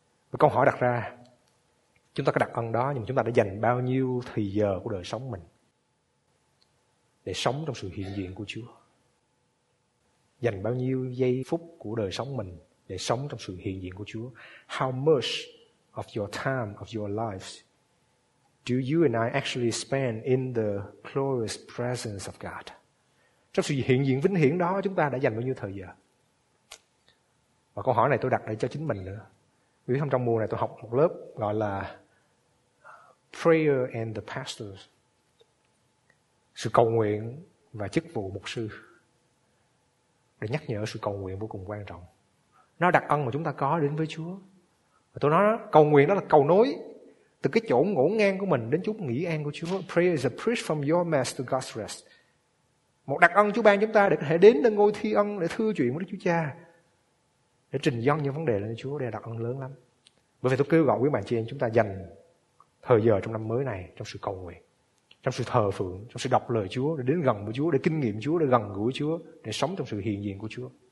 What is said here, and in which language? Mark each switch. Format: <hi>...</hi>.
<vi>Và câu hỏi đặt ra, chúng ta có đặc ân đó, nhưng mà chúng ta đã dành bao nhiêu thời giờ của đời sống mình để sống trong sự hiện diện của Chúa? Dành bao nhiêu giây phút của đời sống mình để sống trong sự hiện diện của Chúa?</vi> <en>How much of your time, of your lives, do you and I actually spend in the glorious presence of God?</en> <vi>Trong sự hiện diện vĩnh hiển đó, chúng ta đã dành bao nhiêu thời giờ? Và câu hỏi này tôi đặt lại cho chính mình nữa. Vì trong mùa này tôi học một lớp gọi là</vi> <en>Prayer and the Pastors,</en> <vi>sự cầu nguyện và chức vụ mục sư, để nhắc nhở sự cầu nguyện vô cùng quan trọng. Nó đặc ân mà chúng ta có đến với Chúa. Và tôi nói cầu nguyện đó là cầu nối từ cái chỗ ngổ ngang của mình đến chút nghỉ an của Chúa.</vi> <en>Prayer is a bridge from your mess to God's rest.</en> <vi>Một đặc ân Chúa ban chúng ta để có thể đến nơi ngôi thi ân để thưa chuyện với Đức Chúa Cha, để trình dâng những vấn đề lên Chúa. Đây là đặc ân lớn lắm. Bởi vậy tôi kêu gọi quý bạn chị em chúng ta dành thời giờ trong năm mới này trong sự cầu nguyện, trong sự thờ phượng, trong sự đọc lời Chúa, để đến gần với Chúa, để kinh nghiệm Chúa, để gần gũi Chúa, để sống trong sự hiện diện của Chúa.</vi>